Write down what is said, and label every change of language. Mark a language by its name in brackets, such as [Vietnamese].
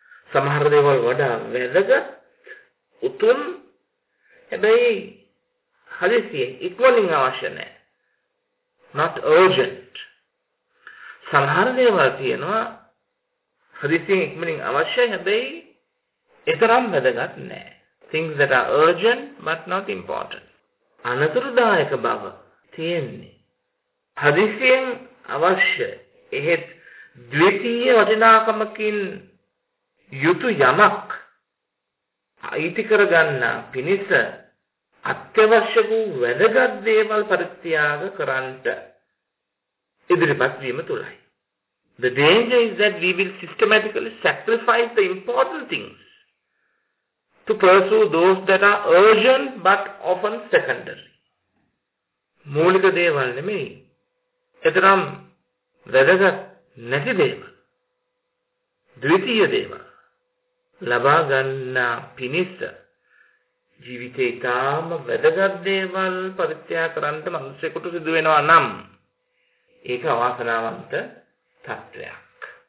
[Sinhala] සමහර දේවල් වඩා වැදගත් උතුම්, හැබැයි හදිසියෙන් ඉක්මනින් අවශ්‍ය නැහැ. [English] Not urgent. [Sinhala] සමහර දේවල් තියෙනවා හදිසියෙන් ඉක්මනින් අවශ්‍යයි, හැබැයි එතරම් වැදගත් නැහැ. [English] Things that are urgent but not important. [Sinhala] අනතුරුදායක බව තියෙන්නේ හදිසියෙන් අවශ්‍ය, එහෙත් ද්විතීය වටිනාකමකින් යුතු යමක් අයිති කරගන්න පිණිස අත්‍යවශ්‍ය වූ වැදගත් දේවල් පරිත්‍යාග කරන්නට ඉදිරිපත් වීම තුළයි. [English] The danger is that we will systematically sacrifice the important things to pursue those that are urgent but often secondary. [Sinhala] මූලික දේවල් නෙමෙයි, එතරම් වැදගත් නැති දේවල්, ද්විතීය දේවල් ලබා ගන්න පිණිස ජීවිතේ ඉතාම වැදගත් දේවල් පරිත්‍යාග කරන්න මනුස්සයෙකුට සිදු වෙනවා නම් ඒක අවාසනාවන්ත තත්ත්වයක්.